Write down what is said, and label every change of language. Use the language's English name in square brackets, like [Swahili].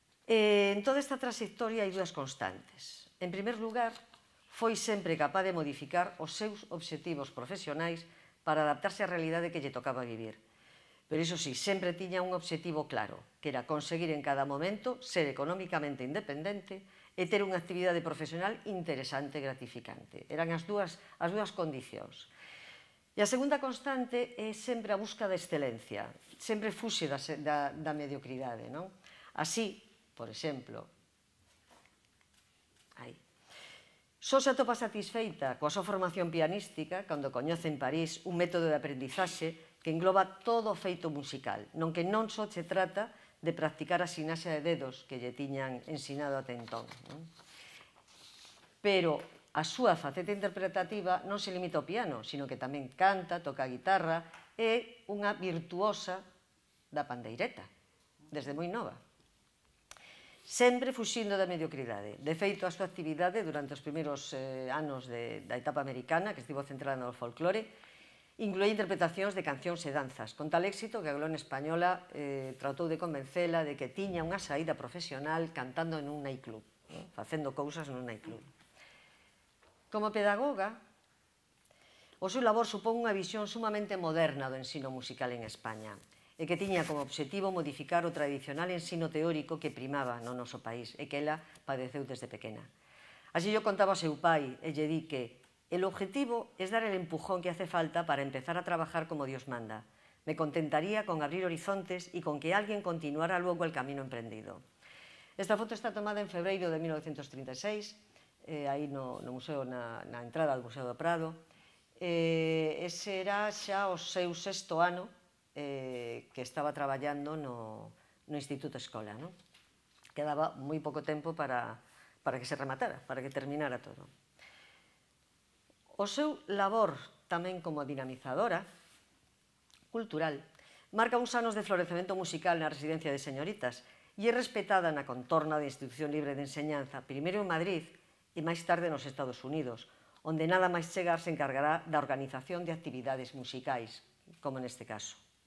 [Galician] En toda esta trayectoria hai dúas constantes. En primer lugar, foi sempre capaz de modificar os seus obxectivos profesionais para adaptarse á realidade que lle tocaba vivir. Pero iso sí, sempre tiña un obxectivo claro, que era conseguir en cada momento ser económicamente independente e ter unha actividade profesional interesante e gratificante. Eran as dúas condicións. E a segunda constante é sempre a busca da excelencia, sempre fuxe da mediocridade, non? Así, por exemplo, só se atopa satisfeita coa súa formación pianística cando coñece en París un método de aprendizaxe que engloba todo o feito musical, non que non só se trata de practicar a sinaxe de dedos que lle tiñan ensinado até entón. Pero a súa faceta interpretativa non se limita ao piano, sino que tamén canta, toca a guitarra e unha virtuosa da pandeireta, desde moi nova. Sempre fuxindo da mediocridade. De feito, a súa actividade durante os primeiros anos da etapa americana, que estivo centrada no folclore, incluía interpretacións de cancións e danzas, con tal éxito que a Colón Española tratou de convencela de que tiña unha saída profesional cantando en un nightclub, facendo cousas en un nightclub. Como pedagoga, o seu labor supón unha visión sumamente moderna do ensino musical en España, e que tiña como obxectivo modificar o tradicional ensino teórico que primaba no noso país e que ela padeceu desde pequena. [Spanish] Así yo contaba [Galician] a seu pai e lle di [Spanish] que el objetivo es dar el empujón que hace falta para empezar a trabajar como Dios manda. Me contentaría con abrir horizontes y con que alguien continuara luego el camino emprendido. [Galician] Esta foto está tomada en febreiro de 1936, ahí no museo, na entrada do Museo do Prado. Ese era xa o seu sexto ano que estaba traballando no Instituto Escola, ¿no? Quedaba moi pouco tempo para que se rematara, para que terminara todo. O seu labor tamén como dinamizadora cultural marca uns anos de florecemento musical na residencia de señoritas e é respetada na contorna de institución libre de enseñanza, primeiro en Madrid e máis tarde nos Estados Unidos, onde nada máis chegar se encargará da organización de actividades musicais, como neste caso.